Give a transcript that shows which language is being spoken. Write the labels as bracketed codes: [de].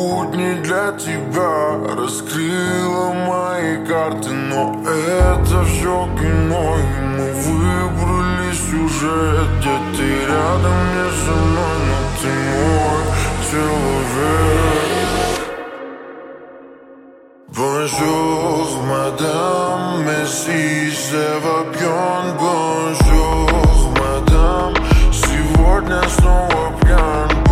[ru] Раскрыла мои карты, но это все кино. И мы выбрали сюжет, где ты рядом не со мной, но ты мой человек. [fr] Bonjour, madame, merci, c'est va bien. Bonjour, madame, [ru] сегодня снова пьян.